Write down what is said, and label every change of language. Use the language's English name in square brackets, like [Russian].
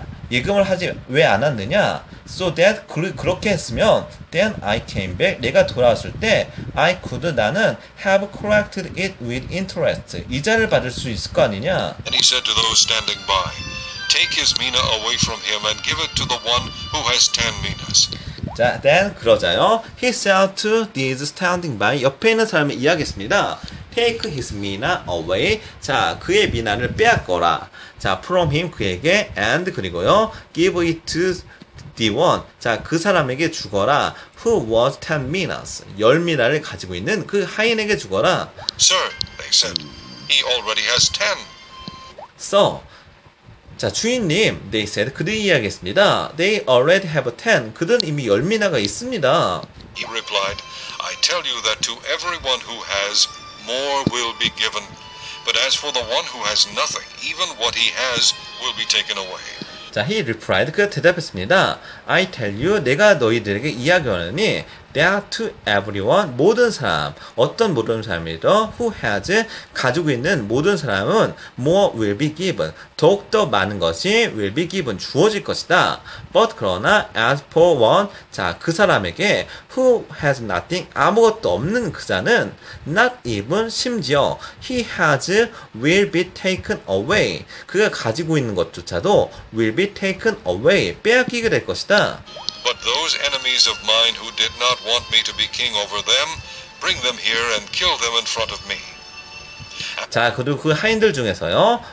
[Korean] 예금을 하지 왜 안 왔느냐? [English] So that, [Korean] 그렇게 했으면, [English] then I came back. [Korean] 내가 돌아왔을 때, [English] I could [Korean] 나는 [English] have collected it with interest. [Korean] 이자를 받을 수 있을 거 아니냐? [English] And he said to those standing by, take his mina away from him and give it to the one who has 10 minas. 자, then [Korean] 그러자요. [English] He said to these standing by. [Korean] 옆에 있는 사람이 이야기했습니다. [English] Take his mina away. [Korean] 자, 그의 미나를 빼앗거라. [English] 자, from him [Korean] 그에게 [English] and [Korean] 그리고요. [English] Give it to the one. [Korean] 자, 그 사람에게 주거라. [English] Who was 10 minas. [Korean] 열 미나를 가지고 있는 그 하인에게 주거라. [English] Sir, they said, he already has 10. [Korean] So, 자, 주인님, [English] they said, [Korean] 그들이 이야기했습니다. [English] They already have a 10. [Korean] 그들은 이미 열 미나가 있습니다. [English] He replied, I tell you that to everyone who has, more will be given. But as for the one who has nothing, even what he has will be taken away. [Korean] 자, [English] he replied, [Korean] 그가 대답했습니다. [English] I tell you, [Korean] 내가 너희들에게 이야기하느니, [English] that to everyone, [Korean] 모든 사람, 어떤 모든 사람이든, [English] who has, [Korean] 가지고 있는 모든 사람은, [English] more will be given, [Korean] 더욱더 많은 것이 [English] will be given, [Korean] 주어질 것이다. [English] But 그러나, as for one, 자, [Korean] 그 사람에게, [English] who has nothing, [Korean] 아무것도 없는 그자는, [English] not even, 심지어, he has, will be taken away, [Korean] 그가 가지고 있는 것조차도, [English] will be taken away, [Korean] 빼앗기게 될 것이다. [English] But those enemies of mine who did not want me to be king over them, bring them here and kill them in front of me. [Korean] 자, 그리고 그 하인들 중에서요.